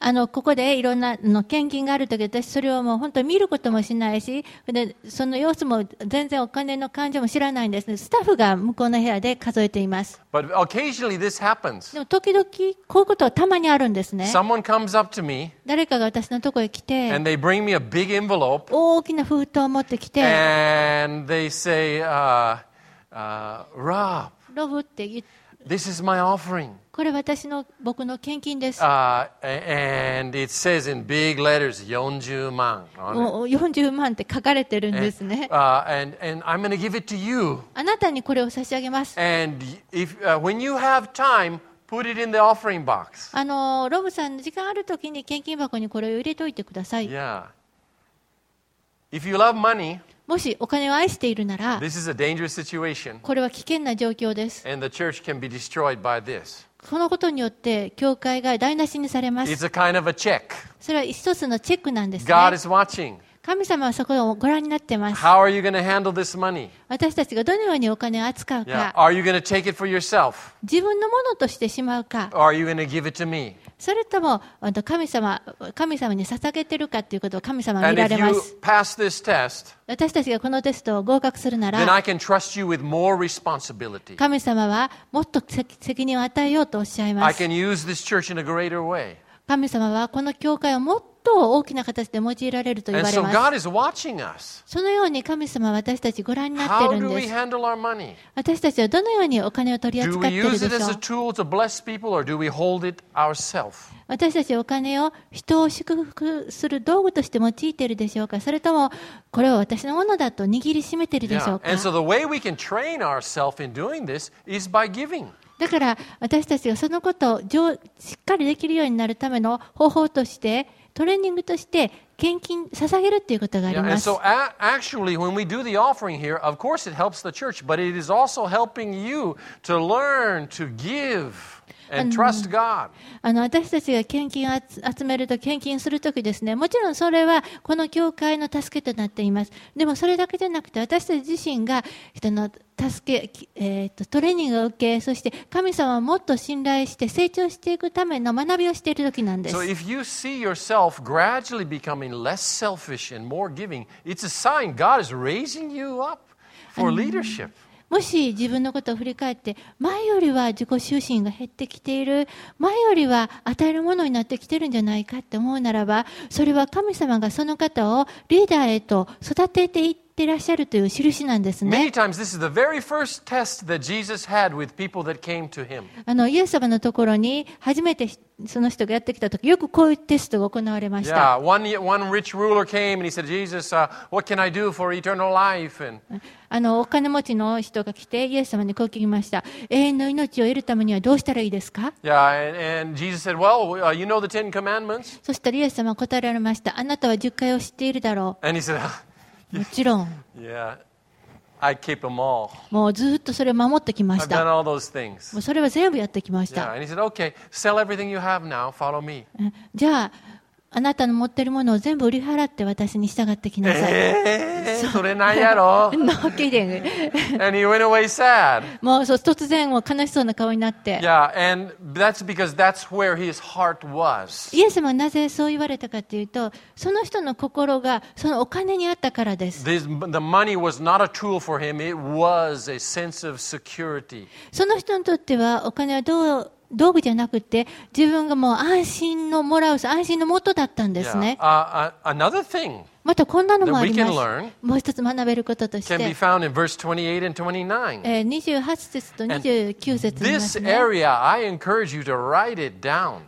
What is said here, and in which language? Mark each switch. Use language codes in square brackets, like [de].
[ja] ここでいろんなの献金があるとき、私それをもう本当に見ることもしないし、で、その様子も全然お金の感情も知らないんですね。スタッフが向こうの部屋で数えています。 [en] But occasionally this happens. [ja] でも時々こういうことはたまにあるんですね。 [en] Someone comes up to me. [ja] 誰かが私のとこへ来て、 [en] and they bring me a big envelope. [ja] 大きな封筒を持ってきて、 [en] and they say, Rob. [ja] ロブって言って、 [en] This is my offering. [ja] これ私の僕の献金です。 [en] And it says in big letters 40万。 [ja] 40万って書かれてるんですね。 [en] And I'm going to give it to you. [ja] あなたにこれを差し上げます。 [en] And if, when you have time, put it in the offering box. [ja] ロブさん時間あるときに献金箱にこれを入れといてください。 [en] Yeah. If you love money. [ja] もしお金を愛しているなら、 [en] This is a dangerous situation. [ja] これは危険な状況です。 [en] And the church can be destroyed by this. [ja] このことによって教会が台無しにされます。 [en] It's a kind of a check. [ja] それは一つのチェックなんですね。 [en] God is watching. [ja] 神様はそこをご覧になってます。 [en] How are you going to handle this money? [ja] 私たちがどのようにお金を扱うか。 [en] Yeah. Are you going to take it for yourself? [ja] 自分のものとしてしまうか。 [en] Or are you going to give it to me? [ja] それとも神様に捧げているかということを神様は見られます。私たちがこのテストを合格するなら、神様はもっと責任を与えようとおっしゃいます。神様はこの教会をもっとと大きな形で用いられると言われます。そのように神様は私たちご覧になっているんです。私たちはどのようにお金を取り扱っているでしょう。 [en] Do we use it as a tool to bless people, or do we hold it ourselves? [ja] 私たちお金を人を祝福する道具として用いているでしょうか、それともこれは私のものだと握りしめているでしょうか。 [en] And so the way we can train ourselves in doing this is by giving. [ja] だから私たちがそのことをしっかりできるようになるための方法として、トレーニングとして献金、捧げるということがあります。 [en] And so actually when we do the offering here, of course it helps the church, but it is also helping you to learn to giveAnd trust God. [ja] 私たちが献金を集めると、献金するときですね、もちろんそれはこの教会の助けとなっています。でもそれだけじゃなくて、私たち自身が人の助け、トレーニングを受け、そして神様をもっと信頼して成長していくための学びをしているときなんです。 [en] So if you see yourself gradually becoming less selfish and more giving, it's a sign God is raising you up for leadership. [ja] もし自分のことを振り返って、前よりは自己中心が減ってきている、前よりは与えるものになってきているんじゃないかって思うならば、それは神様がその方をリーダーへと育てていっていらっしゃるという印なんですね。 [en] Many times this is the very first test that Jesus had with people that came to him. [ja] イエス様のところに初めてその人がやってきたとき、よくこういうテストが行われました。 [en] Yeah, one rich ruler came and he said, Jesus, what can I do for eternal life? And [ja] お金持ちの人が来てイエス様にこう聞きました。永遠の命を得るためにはどうしたらいいですか？ [en] Yeah, and Jesus said, well, you know the Ten Commandments. [ja] そしたらイエス様は答えられました。あなたは十戒を知っているだろう。 [en] And he said, [ja] もちろん。 [en] Yeah, I keep them all. [ja] もうずっとそれを守ってきました。 [en] I've done all those things. [ja] もうそれは全部やってきました。 [en] Yeah, and he said, okay, sell everything you have now, follow me. [ja] じゃあ、あなたの持ってるものを全部売り払って私に従ってきなさい。それなんやろ。 [en] No kidding. And he went away sad. [ja] もうそう、突然もう悲しそうな顔になって。 [en] Yeah, and that's because that's where his heart was. [ja] イエス様はなぜそう言われたかというと、その人の心がそのお金にあったからです。 [en] The money was not a tool for him. It was a sense of security. [ja] その人にとってはお金はどう道具じゃなくて、自分がもう安心のもらう安心の元だったんですね。 [en] Another thing. [ja] またこんなのもあります。もう一つ学べることとして。 [en] Can be found in verse 28 and 29. [ja] 28節と29節ですね。 [en] This area, I encourage you to write it down.